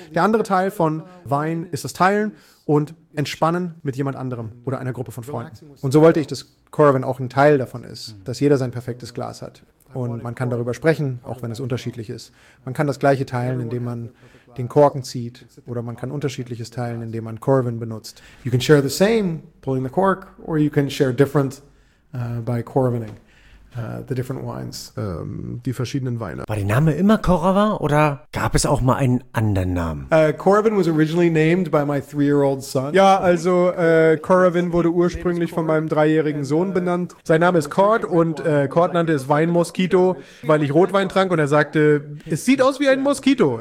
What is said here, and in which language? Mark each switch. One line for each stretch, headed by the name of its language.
German: Der andere Teil von Wein ist das Teilen und Entspannen mit jemand anderem oder einer Gruppe von Freunden. Und so wollte ich, dass Coravin auch ein Teil davon ist, dass jeder sein perfektes Glas hat. Und man kann darüber sprechen, auch wenn es unterschiedlich ist. Man kann das Gleiche teilen, indem man den Korken zieht, oder man kann unterschiedliches teilen, indem man Coravin benutzt.
English: You can share the same pulling the cork, or you can share different by Coravining the different wines.
German: Die verschiedenen Weine. War der Name immer Coravin oder gab es auch mal einen anderen Namen?
English: Coravin was originally named by my 3-year-old son.
German: Ja, also Coravin wurde ursprünglich von meinem 3-jährigen Sohn benannt. Sein Name ist Cord und Cord nannte es Weinmoskito, weil ich Rotwein trank und er sagte, es sieht aus wie ein Moskito.